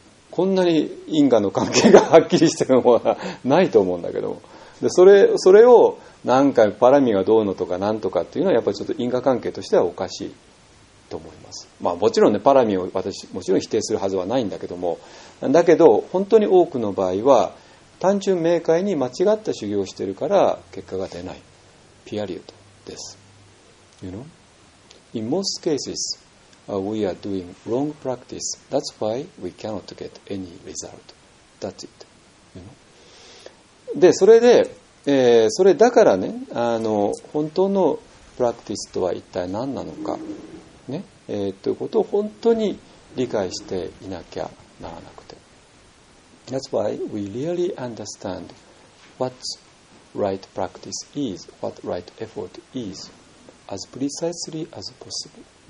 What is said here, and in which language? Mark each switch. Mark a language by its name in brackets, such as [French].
[Japanese] こんなに因果の関係がはっきりしてるものはないと思うんだけど、でそれをなんかパラミがどうのとかなんとかっていうのはやっぱりちょっと因果関係としてはおかしいと思います。まあもちろんねパラミを私もちろん否定するはずはないんだけども、だけど本当に多くの場合は単純明快に間違った修行をしてるから結果が出ない、ピアリュードです。 [English] You know, in most casesWe are doing wrong practice. That's why we cannot get any result. That's it. You know? [Japanese] で、それで、それだからね、本当のプラクティスとは一体何なのか、ね、ということを本当に理解していなきゃならなくて。 [English] That's why we really understand what right practice is, what right effort is, as precisely as possible.